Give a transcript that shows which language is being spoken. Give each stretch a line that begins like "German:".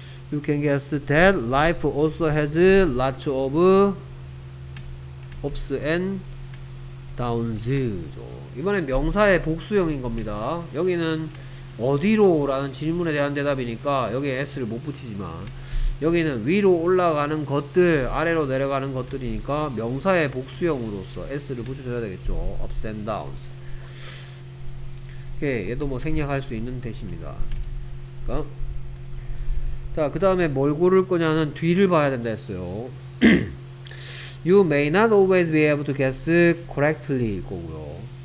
English: you can guess that life also has lots of ups and downs.
Korean: 이번엔 명사의 복수형인 겁니다. 여기는 어디로 라는 질문에 대한 대답이니까 여기에 s를 못 붙이지만 여기는 위로 올라가는 것들, 아래로 내려가는 것들이니까 명사의 복수형으로서 s를 붙여줘야 되겠죠.
English: ups and downs.
Korean: 오케이, 얘도 뭐 생략할 수 있는 대시입니다. 자, 그 다음에 뭘 고를 거냐는 뒤를 봐야 된다 했어요.
English: you may not always be able to guess correctly 거고요.